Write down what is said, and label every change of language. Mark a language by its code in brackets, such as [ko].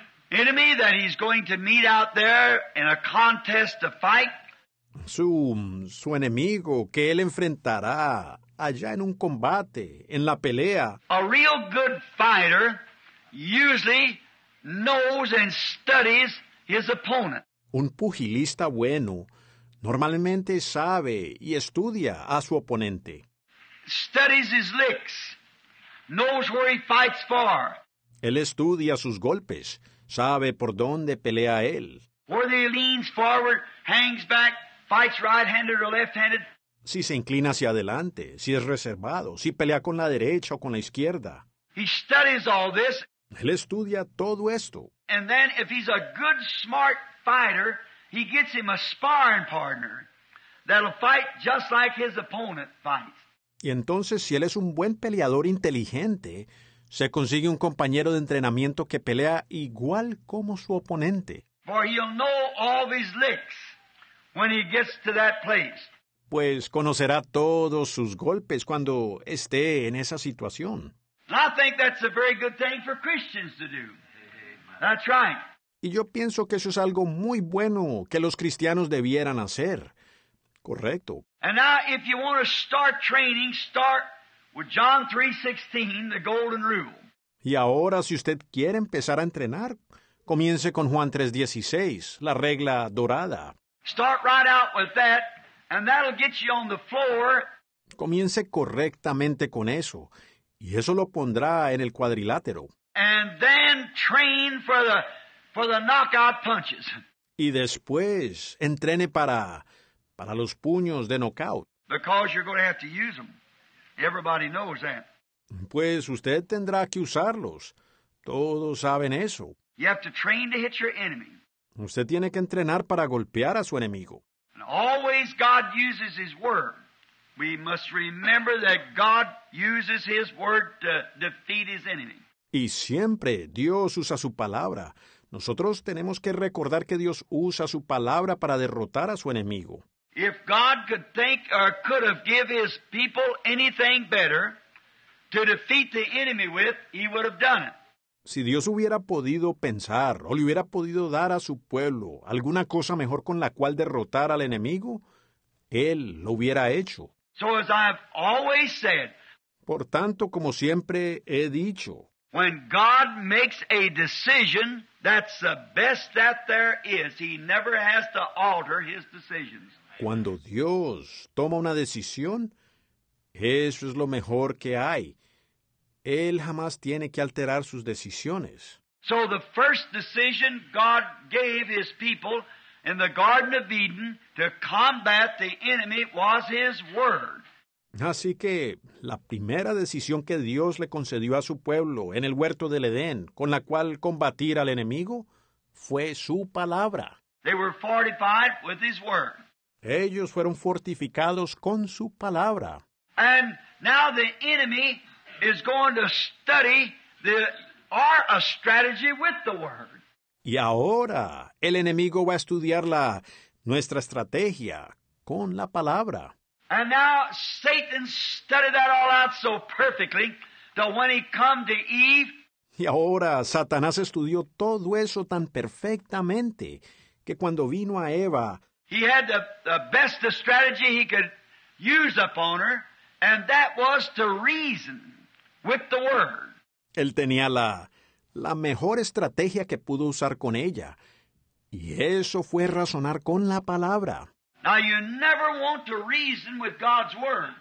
[en] Enemy that he's going to meet out there in a contest to fight. [es] Su enemigo que él enfrentará allá en un combate, en la pelea. [en] A real good fighter usually knows and studies his opponent. [es] Un pugilista bueno normalmente sabe y estudia a su oponente. [en] Studies his licks, knows where he fights for. [es] Él estudia sus golpes. Sabe por dónde pelea él. [en] Whether he leans forward, hangs back, fights right-handed or left-handed. [es] Si se inclina hacia adelante, si es reservado, si pelea con la derecha o con la izquierda. [en] He studies all this. [es] Él estudia todo esto. [en] And then if he's a good, smart fighter, he gets him a sparring partner that'll fight just like his opponent fights. [es] Y entonces, si él es un buen peleador inteligente, se consigue un compañero de entrenamiento que pelea igual como su oponente. [en] For he'll know all his licks when he gets to that place. [es] Pues conocerá todos sus golpes cuando esté en esa situación. [en] I think that's a very good thing for Christians to do. That's right. [es] Y yo pienso que eso es algo muy bueno que los cristianos debieran hacer. Correcto. [en] And now, if you want to start training, start with John 3:16, the golden rule. [es] Y ahora, si usted quiere empezar a entrenar, comience con Juan 3:16, la regla dorada. [en] Start right out with that, and that'll get you on the floor. [es] Comience correctamente con eso, y eso lo pondrá en el cuadrilátero. [en] And then train for the knockout punches. [es] Y después, entrene para los puños de knockout. [en] Because you're going to have to use them. Everybody knows that. [es] Pues usted tendrá que usarlos. Todos saben eso. [en] You have to train to hit your enemy. [es] Usted tiene que entrenar para golpear a su enemigo. [en] And always God uses his word. We must remember that God uses his word to defeat his enemy. [es] Y siempre Dios usa su palabra. Nosotros tenemos que recordar que Dios usa su palabra para derrotar a su enemigo. [en] If God could think or could have given his people anything better to defeat the enemy with, he would have done it. [es] Si Dios hubiera podido pensar o le hubiera podido dar a su pueblo alguna cosa mejor con la cual derrotar al enemigo, él lo hubiera hecho. [en] So as I've always said, [es] por tanto, como siempre he dicho, [en] when God makes a decision, that's the best that there is. He never has to alter his decisions. [es] Cuando Dios toma una decisión, eso es lo mejor que hay. Él jamás tiene que alterar sus decisiones. [en] So the first decision God gave his people in the Garden of Eden to combat the enemy was his word. [es] Así que la primera decisión que Dios le concedió a su pueblo en el huerto del Edén, con la cual combatir al enemigo, fue su palabra. [en] They were fortified with his word. [es] Ellos fueron fortificados con su palabra. [en] And now the enemy is going to study a strategy with the word. [es] Y ahora el enemigo va a estudiar nuestra estrategia con la palabra. [en] And now Satan studied that all out so perfectly that when he come to Eve. [es] Y ahora Satanás estudió todo eso tan perfectamente que cuando vino a Eva. [en] He had the best strategy he could use upon her, and that was to reason with the word. [es] Él tenía la mejor estrategia que pudo usar con ella, y eso fue razonar con la palabra. [en] Now you never want to reason with God's word.